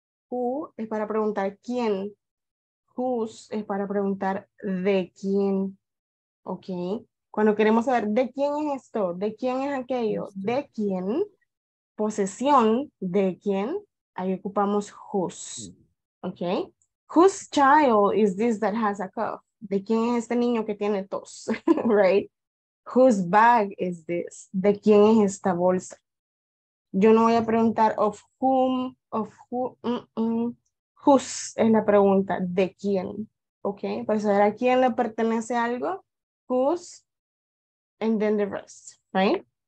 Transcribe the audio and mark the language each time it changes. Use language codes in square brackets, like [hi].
[es] Who es para preguntar quién. Whose es para preguntar de quién. ¿Ok? Cuando queremos saber de quién es esto, de quién es aquello, de quién, posesión de quién, ahí ocupamos whose. ¿Ok? [en] Whose child is this that has a cough? [es] ¿De quién es este niño que tiene tos? [en] Right? Whose bag is this? [es] ¿De quién es esta bolsa? Yo no voy a preguntar of whom, of who, whose es la pregunta, ¿de quién? ¿Ok? Para saber a quién le pertenece algo, whose, [en] and then the rest, [es] right?